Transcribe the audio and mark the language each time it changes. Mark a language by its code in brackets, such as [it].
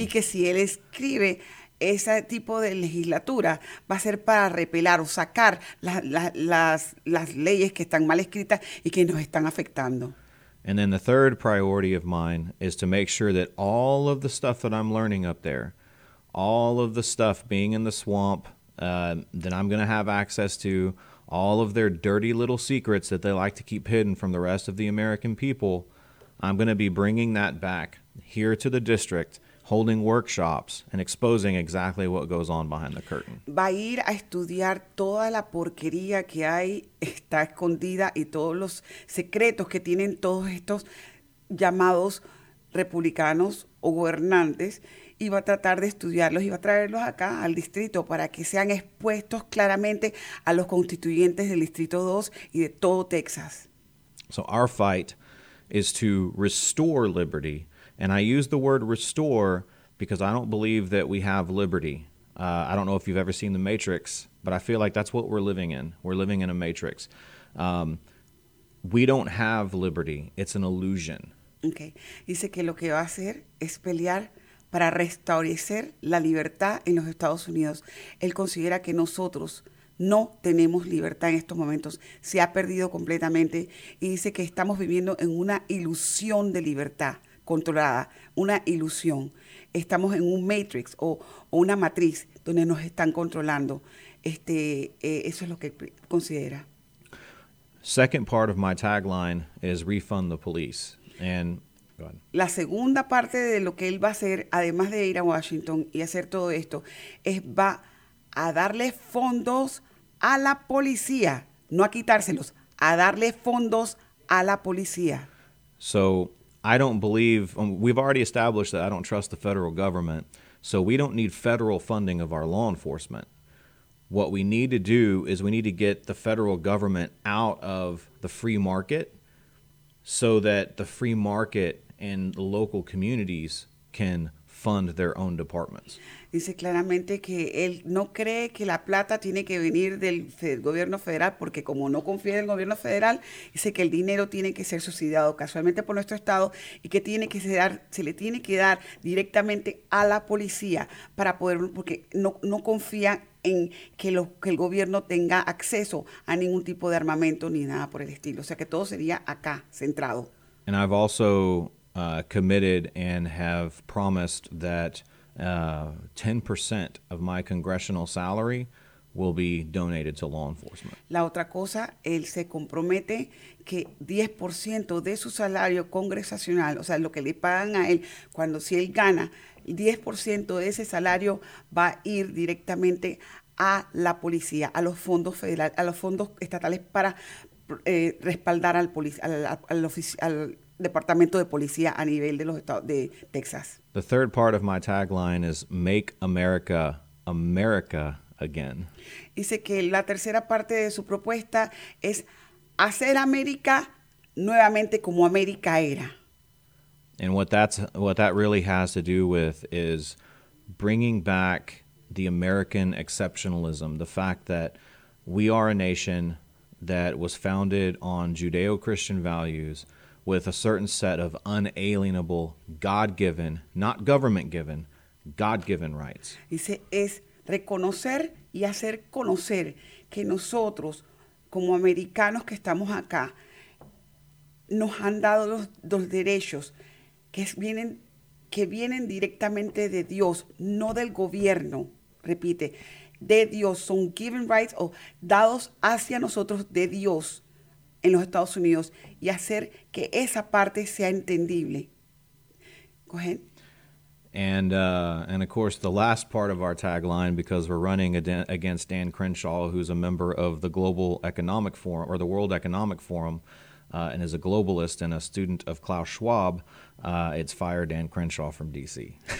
[es] Y que si él escribe ese tipo de legislatura, va a ser para repelar o sacar las leyes que están mal escritas y que nos están afectando. [en] And then the third priority of mine is to make sure that all of the stuff that I'm learning up there, all of the stuff being in the swamp that I'm going to have access to, all of their dirty little secrets that they like to keep hidden from the rest of the American people, I'm going to be bringing that back here to the district, holding workshops and exposing exactly what goes on behind the curtain. [es] Va a ir a estudiar toda la porquería que hay, está escondida, y todos los secretos que tienen todos estos llamados republicanos o gobernantes, y va a tratar de estudiarlos y va a traerlos acá al distrito para que sean expuestos claramente a los constituyentes del Distrito 2 y de todo Texas. [en] So our fight is to restore liberty. And I use the word restore because I don't believe that we have liberty. I don't know if you've ever seen The Matrix, but I feel like that's what we're living in. We're living in a matrix. We don't have liberty. It's an illusion. Okay. [es] Dice que lo que va a hacer es pelear para restablecer la libertad en los Estados Unidos. Él considera que nosotros no tenemos libertad en estos momentos. Se ha perdido completamente. Y dice que estamos viviendo en una ilusión de libertad. Controlada, una ilusión. Estamos en un matrix o una matriz donde nos están controlando. Eso es lo que considera. [en] Second part of my tagline is refund the police. And go ahead. [es] La segunda parte de lo que él va a hacer, además de ir a Washington y hacer todo esto, es va a darle fondos a la policía, no a quitárselos, a darle fondos a la policía. [en] So I don't believe, we've already established that I don't trust the federal government, so we don't need federal funding of our law enforcement. What we need to do is we need to get the federal government out of the free market so that the free market and the local communities can fund their own departments. [es] Dice claramente que él no cree que la plata tiene que venir del gobierno federal, porque como no confía en el gobierno federal, dice que el dinero tiene que ser subsidiado casualmente por nuestro estado y que tiene que ser, se le tiene que dar directamente a la policía para poder, porque no confía en que el gobierno tenga acceso a ningún tipo de armamento ni nada por el estilo. O sea que todo sería acá, centrado. [en] And I've also committed and have promised that 10% of my congressional salary will be donated to law enforcement. [es] La otra cosa, él se compromete que 10% de su salario congresacional, o sea, lo que le pagan a él, cuando si él gana, 10% de ese salario va a ir directamente a la policía, a los fondos federales, a los fondos estatales para respaldar al policía, al oficial, Departamento de Policía a nivel de los estados de Texas. [en] The third part of my tagline is make America, America again. [es] Dice que la tercera parte de su propuesta es hacer América nuevamente como América era. [en] And what that really has to do with is bringing back the American exceptionalism, the fact that we are a nation that was founded on Judeo-Christian values, with a certain set of unalienable, God-given, not government-given, God-given rights. [es] Dice, es reconocer y hacer conocer que nosotros, como americanos que estamos acá, nos han dado los derechos que vienen directamente de Dios, no del gobierno, repite, de Dios, son [en] given rights [es] o dados hacia nosotros de Dios, en los Estados Unidos, y hacer que esa parte sea entendible. [en] Go ahead. And of course, the last part of our tagline, because we're running against Dan Crenshaw, who's a member of the Global Economic Forum, or the World Economic Forum, and is a globalist and a student of Klaus Schwab, it's fire Dan Crenshaw from D.C.